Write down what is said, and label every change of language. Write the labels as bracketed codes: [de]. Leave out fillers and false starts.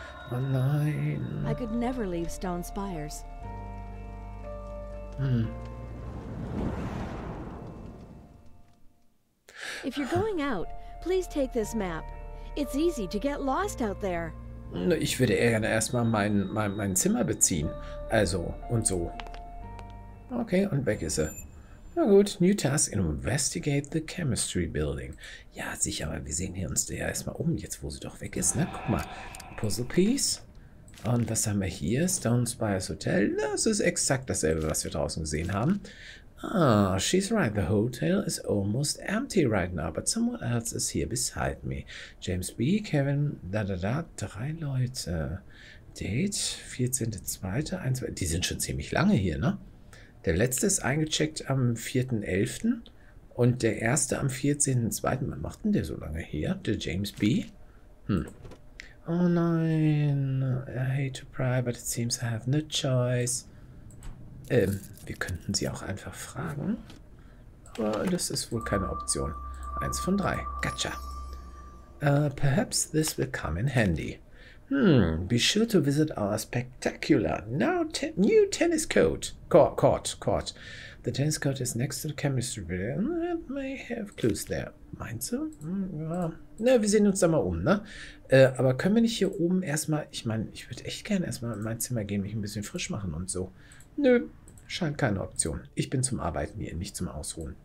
[de] Oh nein. [en] I could never leave Stone Spires. If you're going out, please take this map. It's easy to get lost out there. [de] Ich würde eher gerne erstmal mein Zimmer beziehen. Also, und so. Okay, und weg ist er. Na gut, [en] new task, investigate the chemistry building. [de] Ja, sicher, aber wir sehen hier uns ja erstmal um, jetzt wo sie doch weg ist, ne? Guck mal, Puzzle Piece. Und was haben wir hier? Stone Spires Hotel. Das ist exakt dasselbe, was wir draußen gesehen haben. [en] Ah, she's right. The hotel is almost empty right now, but someone else is here beside me. [de] James B., Kevin, drei Leute. Date, 14.2., 1.2., die sind schon ziemlich lange hier, ne? Der letzte ist eingecheckt am 4.11. und der erste am 14.2. Wann macht denn der so lange her, der James B.? Oh nein, [en] I hate to pry, but it seems I have no choice. [de] Wir könnten sie auch einfach fragen. Aber das ist wohl keine Option. 1 von 3. Gotcha. [en] Perhaps this will come in handy. Be sure to visit our spectacular new tennis court. Court. The tennis court is next to the chemistry building. It may have clues there. [de] Meinst du? Ja. Na, wir sehen uns da mal um, ne? Aber können wir nicht hier oben erstmal... Ich meine, ich würde echt gerne erstmal in mein Zimmer gehen, mich ein bisschen frisch machen und so. Nö. Scheint keine Option. Ich bin zum Arbeiten hier, nicht zum Ausruhen.